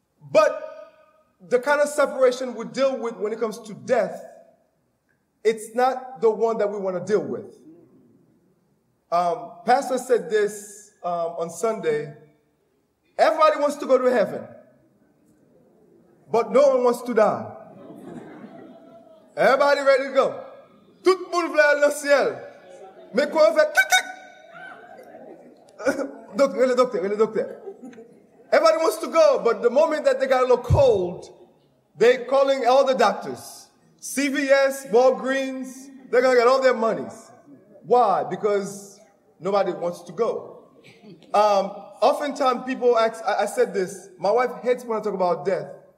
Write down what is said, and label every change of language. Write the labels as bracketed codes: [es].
[en] But the kind of separation we deal with when it comes to death, it's not the one that we want to deal with. Pastor said this on Sunday. Everybody wants to go to heaven, but no one wants to die. Everybody ready to go? [fr] Tout le monde veut aller au ciel. Mais quoi on fait? Docteur, le docteur, le docteur. [en] Everybody wants to go, but the moment that they got a little cold, they're calling all the doctors. CVS, Walgreens, they're going to get all their monies. Why? Because nobody wants to go. Oftentimes people ask, I said this, my wife hates when I talk about death.